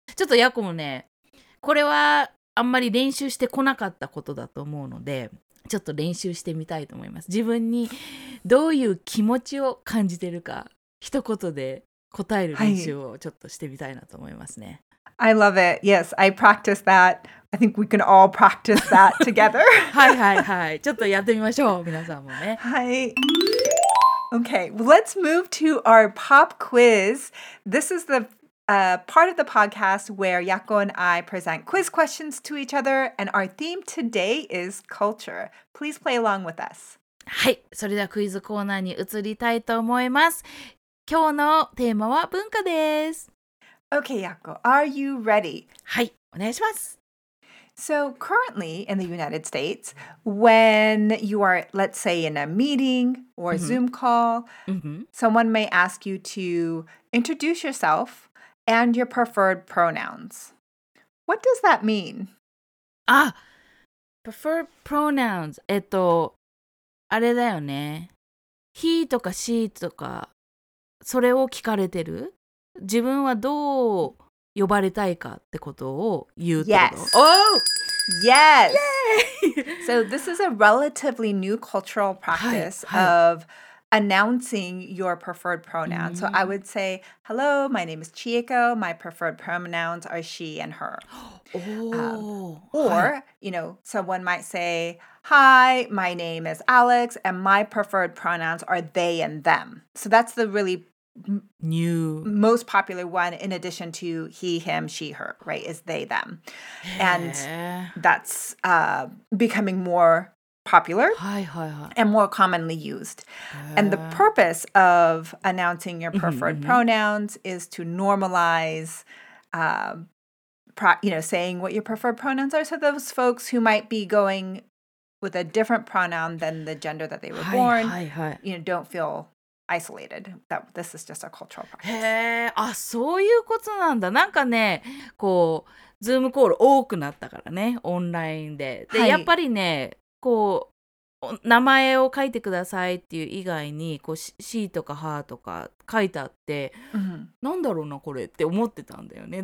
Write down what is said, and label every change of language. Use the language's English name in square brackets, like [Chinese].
[Japanese] ちょっとヤコもね、これはあんまり練習してこなかったことだと思うので、ちょっと練習してみたいと思います。自分にどういう気持ちを感じてるか一言で答える練習をちょっとしてみたいなと思いますね。 [English] I love it. Yes, I practice that. I think we can all practice that together. [Japanese] はいはいはい。ちょっとやってみましょう、皆さんもね。はい。 [English] Okay, let's move to our pop quiz. This is the a part of the podcast where Yako and I present quiz questions to each other, and our theme today is culture. Please play along with us. [Japanese] はい、それではクイズコーナーに移りたいと思います。今日のテーマは文化です。 [English] Okay, Yako, are you ready? [Japanese] はい、お願いします。 [English] So currently in the United States, when you are, let's say, in a meeting or a Zoom call, someone may ask you to introduce yourself and your preferred pronouns. What does that mean? Ah, preferred pronouns. [Japanese] あれだよね。 He とか She とか、それを聞かれてる？自分はどう呼ばれたいかってことを言うってこと？ [English] Yes! Oh! Yes! So this is a relatively new cultural practice of announcing your preferred pronoun. So I would say, hello, my name is Chieko. My preferred pronouns are she and her. You know, someone might say, hi, my name is Alex, and my preferred pronouns are they and them. So that's the really new, most popular one in addition to he, him, she, her, right? Is they, them. And that's becoming more popular and more commonly used. And the purpose of announcing your preferred pronouns is to normalize, saying what your preferred pronouns are. So those folks who might be going with a different pronoun than the gender that they were born, you know, don't feel isolated. That this is just a cultural practice. [Japanese] あ、そういうことなんだ。なんかね、こう、ズームコール多くなったからね、オンラインで。で、やっぱりね、こう名前を書いてくださいっていう以外にこう C とか H とか書いてあって、なんだろうなこれって思ってたんだよね。